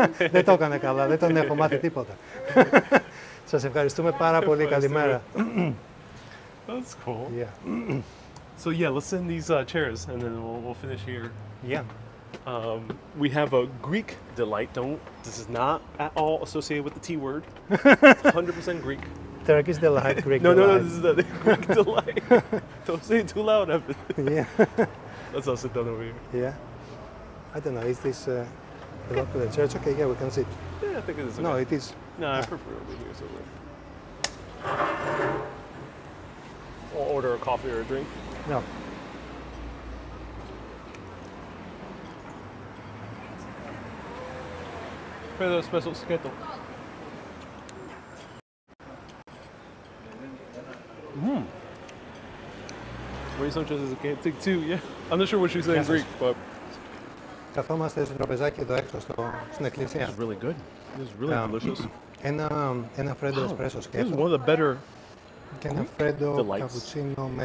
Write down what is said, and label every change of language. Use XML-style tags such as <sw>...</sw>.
<el>Δεν το έκανε καλά, δεν τον έχω μάθει τίποτα. Σας ευχαριστούμε πάρα πολύ, καλημέρα.</el> <en>That's cool. Yeah. So yeah, let's send these chairs and then we'll finish here. Yeah. We have a Greek delight. This is not at all associated with the T word. It's 100% Greek. Turkish delight, Greek no, delight. No, this is the Greek delight. Don't say it too loud, Evan. Yeah. Let's all sit down over here. Yeah. I don't know, is this the lock of the church? Okay, yeah, we can sit. Yeah, I think it is okay. No, it is. No, I prefer over here somewhere. Or order a coffee or a drink. No. Pedro Special Sketo. Yeah. I'm not sure what she's saying in Greek, but.</en> <el>Καθόμαστε στο τραπεζάκι εδώ έξω στην εκκλησία.</el> <en>This is really good. This is really delicious.</en> <el>Ένα φρέντο εσπρέσο σκέτο.</el> <en>This is one of the better.</en> <el>Και ένα φρέντο καπουτσίνο με</el>